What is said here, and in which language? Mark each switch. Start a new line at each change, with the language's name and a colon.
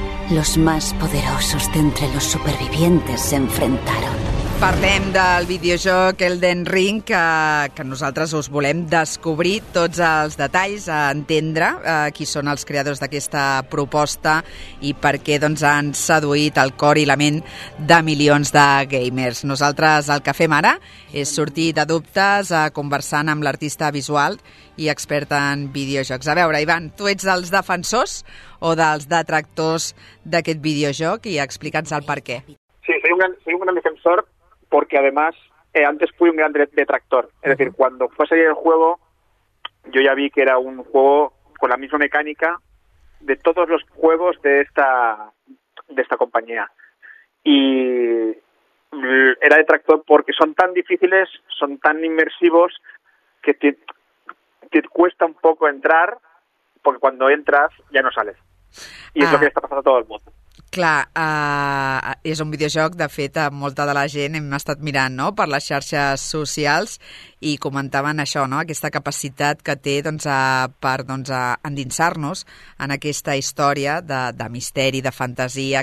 Spanish: Los más poderosos de entre los supervivientes se enfrentaron.
Catalan: Parlem del videojoc Elden Ring, que nosaltres us volem descobrir tots els detalls, a entendre qui són els creadors d'aquesta proposta i per què doncs, han seduït el cor i la ment de milions de gamers. Nosaltres el que fem ara és sortir de dubtes conversant amb l'artista visual i expert en videojocs. A veure, Ivan, tu ets dels defensors o dels detractors d'aquest videojoc i explica'ns el per què.
Spanish: Sí, soy un gran defensor. Porque además, antes fui un gran detractor. Es decir, cuando fue a salir el juego, yo ya vi que era un juego con la misma mecánica de todos los juegos de esta compañía. Y era detractor porque son tan difíciles, son tan inmersivos, que te cuesta un poco entrar, porque cuando entras ya no sales. Y es lo que le está pasando a todo el mundo.
Catalan: Clar, és un videojoc, de fet, molta de la gent hem estat mirant, no?, per les xarxes socials i comentaven això, no?, aquesta capacitat que té doncs, per endinsar-nos en aquesta història de misteri, de fantasia.